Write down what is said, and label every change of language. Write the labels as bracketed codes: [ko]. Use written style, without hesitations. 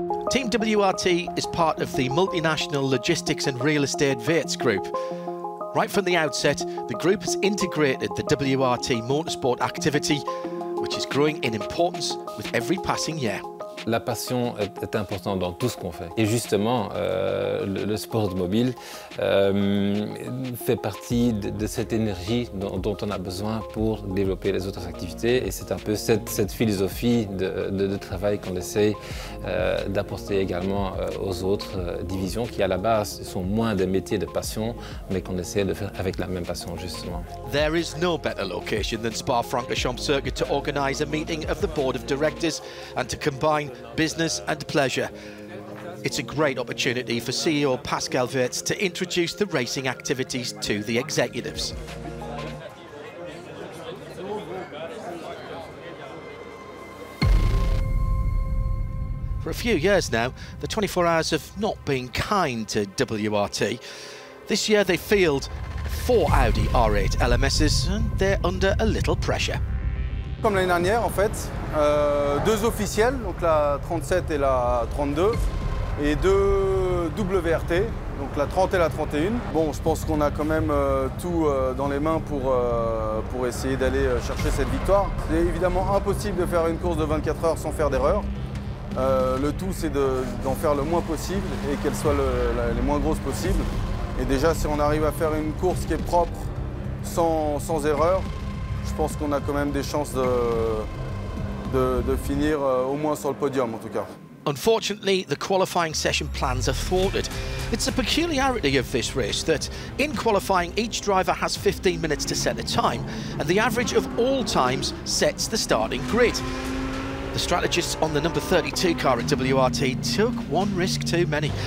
[en] Team WRT is part of the multinational logistics and real estate Wirtz Group. Right from the outset, the group has integrated the WRT motorsport activity, which is growing in importance with every passing year. [fr] La passion est importante dans tout ce qu'on fait. Et justement, le sport automobile fait partie de cette énergie dont on a besoin pour développer les autres activités. Et c'est un peu cette philosophie de travail qu'on essaie d'apporter également aux autres divisions qui, à la base, sont moins des métiers de passion, mais qu'on essaie de faire avec la même passion, justement. [en] There is no better location than Spa-Francorchamps Circuit to organize a meeting of the board of directors and to combine business and pleasure. It's a great opportunity for CEO Pascal Wirtz to introduce the racing activities to the executives. For a few years now, the 24 hours have not been kind to WRT. This year they field four Audi R8 LMSs and they're under a little pressure. [fr] Comme l'année dernière, en fait, deux officiels, donc la 37 et la 32, et deux WRT, donc la 30 et la 31. Bon, je pense qu'on a quand même tout dans les mains pour essayer d'aller chercher cette victoire. C'est évidemment impossible de faire une course de 24 heures sans faire d'erreur. Le tout, c'est d'en faire le moins possible et qu'elles soient les moins grosses possibles. Et déjà, si on arrive à faire une course qui est propre, sans erreur, je pense qu'on a quand même des chances de finir au moins sur le podium, en tout cas. [en] Unfortunately, the qualifying session plans are thwarted. It's a peculiarity of this race that in qualifying, each driver has 15 minutes to set a time, and the average of all times sets the starting grid. The strategists on the number 32 car at WRT took one risk too many.